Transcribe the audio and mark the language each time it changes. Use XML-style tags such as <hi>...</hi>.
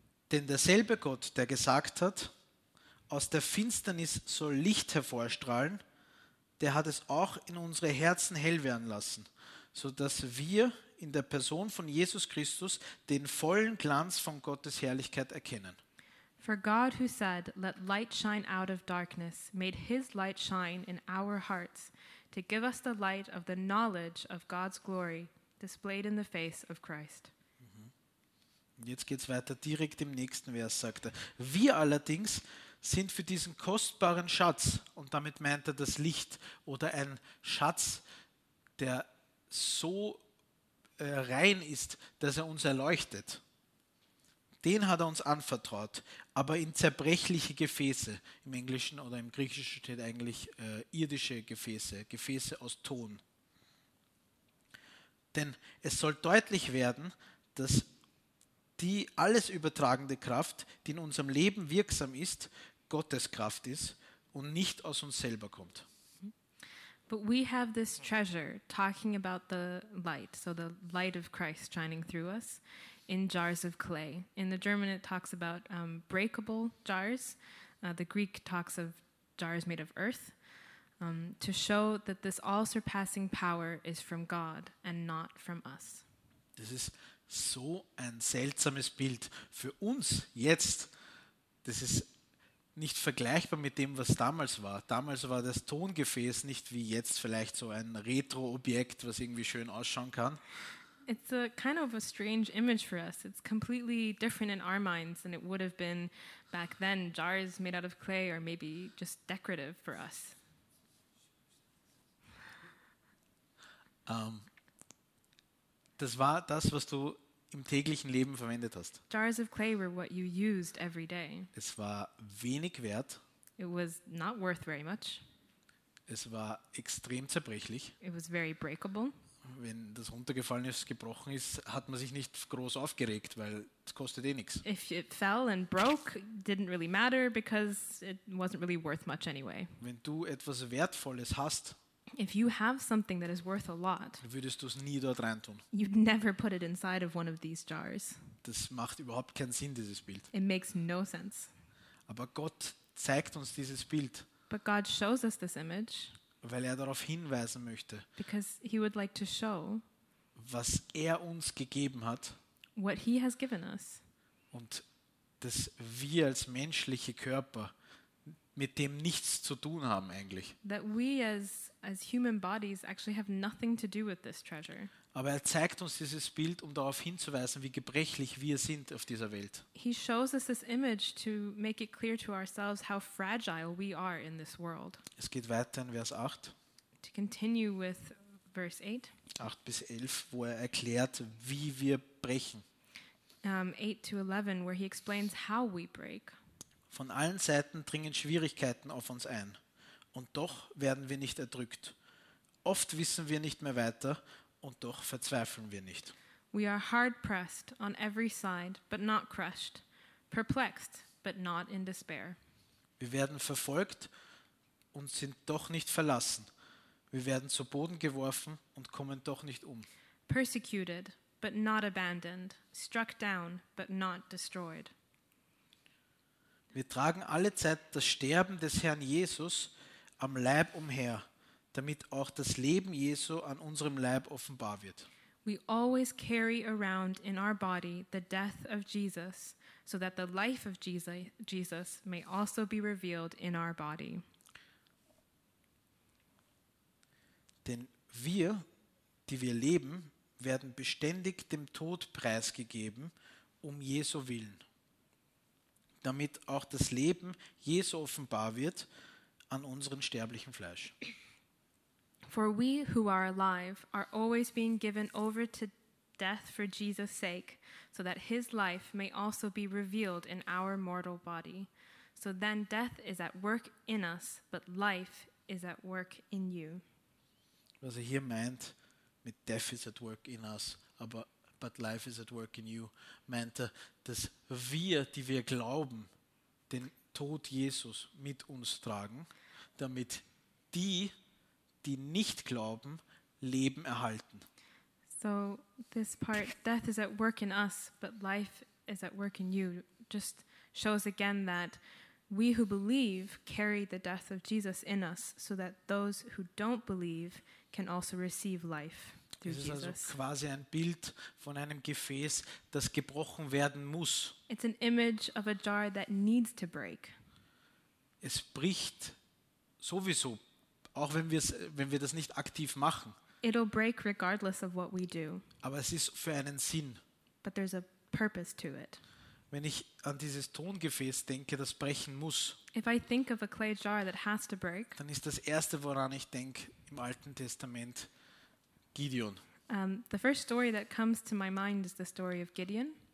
<de>Denn derselbe Gott, der gesagt hat, aus der Finsternis soll Licht hervorstrahlen, der hat es auch in unsere Herzen hell werden lassen, sodass wir in der Person von Jesus Christus den vollen Glanz von Gottes Herrlichkeit erkennen.</de> <en>For God who said, let light shine out of darkness, made his light shine in our hearts, to give us the light of the knowledge of God's glory displayed in the face of Christ.</en> <de>Und jetzt geht's weiter, direkt im nächsten Vers sagt er. Wir allerdings sind für diesen kostbaren Schatz, und damit meint er das Licht oder ein Schatz, der so rein ist, dass er uns erleuchtet. Den hat er uns anvertraut, aber in zerbrechliche Gefäße, im Englischen oder im Griechischen steht eigentlich irdische Gefäße, Gefäße aus Ton. Denn es soll deutlich werden, dass die alles übertragende Kraft, die in unserem Leben wirksam ist, Gottes Kraft ist und nicht aus uns selber kommt.</de> <en>But we have this treasure, talking about the light, so the light of Christ shining through us, in jars of clay. In the German it talks about breakable jars. The Greek talks of jars made of earth, to show that this all-surpassing power is from God and not from us.</en> <de>Das ist so ein seltsames Bild für uns jetzt. Das ist nicht vergleichbar mit dem, was damals war. Damals war das Tongefäß nicht wie jetzt vielleicht so ein Retro-Objekt, was irgendwie schön ausschauen kann.</de> <en>It's a kind of a strange image for us. It's completely different in our minds than it would have been back then. Jars made out of clay or maybe just decorative for us.</en> <de>Das war das, was du im täglichen Leben verwendet hast.</de> <en>Jars of clay were what you used every day.</en> <de>Es war wenig wert.</de> <en>It was not worth very much.</en> <de>Es war extrem zerbrechlich.</de> <en>It was very breakable.</en> <de>Wenn das runtergefallen ist, gebrochen ist, hat man sich nicht groß aufgeregt, weil es kostet eh nichts.</de> <en>If it fell and broke, didn't really matter because it wasn't really worth much anyway.</en> <de>Wenn du etwas Wertvolles hast,</de> <en>if you have something that is worth a lot,</en> <de>würdest du es nie dort reintun.</de> <en>You'd never put it inside of one of these jars.</en> <de>Das macht überhaupt keinen Sinn, dieses Bild.</de> <en>It makes no sense.</en> <de>Aber Gott zeigt uns dieses Bild.</de> <en>But God shows us this image.</en> <de>Weil er darauf hinweisen möchte,</de> <en>because he would like to show,</en> <de>was er uns gegeben hat,</de> <en>what he has given us,</en> <de>und dass wir als menschliche Körper mit dem nichts zu tun haben eigentlich.</de> <en>That we as human bodies actually have nothing to do with this treasure.</en> <de>Aber er zeigt uns dieses Bild, um darauf hinzuweisen, wie gebrechlich wir sind auf dieser Welt.</de> <en>He shows us this image to make it clear to ourselves how fragile we are in this world.</en> <de>Es geht weiter in Vers 8.</de> <en>To continue with verse 8.</en> <de>8 bis 11, wo er erklärt, wie wir brechen.</de> <en>8 to 11, where he explains how we break.</en> <de>Von allen Seiten dringen Schwierigkeiten auf uns ein. Und doch werden wir nicht erdrückt. Oft wissen wir nicht mehr weiter. Und doch verzweifeln wir nicht.</de> <en>We are hard pressed on every side, but not crushed, perplexed, but not in despair.</en> <de>Wir werden verfolgt und sind doch nicht verlassen. Wir werden zu Boden geworfen und kommen doch nicht um.</de> <en>Persecuted, but not abandoned, struck down, but not destroyed.</en> <de>Wir tragen alle Zeit das Sterben des Herrn Jesus am Leib umher, damit auch das Leben Jesu an unserem Leib offenbar wird.</de> <en>We always carry around in our body the death of Jesus, so that the life of Jesus may also be revealed in our body.</en> <de>Denn wir, die wir leben, werden beständig dem Tod preisgegeben, um Jesu willen. Damit auch das Leben Jesu offenbar wird an unserem sterblichen Fleisch.</de> <en>For we who are alive are always being given over to death for Jesus' sake, so that his life may also be revealed in our mortal body. So then death is at work in us, but life is at work in you.</en> <de>Was er hier meint, mit</de> <en>death is at work in us, but life is at work in you,</en> <de>meint er, dass wir, die wir glauben, den Tod Jesus mit uns tragen, damit die, die nicht glauben, Leben erhalten.</de> <en>So this part, death is at work in us, but life is at work in you, just shows again that we who believe carry the death of Jesus in us, so that those who don't believe can also receive life through Jesus.</en> <de>Es ist also quasi ein Bild von einem Gefäß, das gebrochen werden muss.</de> <en>It's an image of a jar that needs to break.</en> <de>Es bricht sowieso, auch wenn wir das nicht aktiv machen.</de> <en>It'll break regardless of what we do.</en> <de>Aber es ist für einen Sinn.</de> <en>But there's a purpose to it.</en> <de>Wenn ich an dieses Tongefäß denke, das brechen muss,</de> <en>if I think of a clay jar that has to break,</en> <de>dann ist das Erste, woran ich denke, im Alten Testament, Gideon.</de> <en>The first story that comes to my mind is the story of Gideon.</en>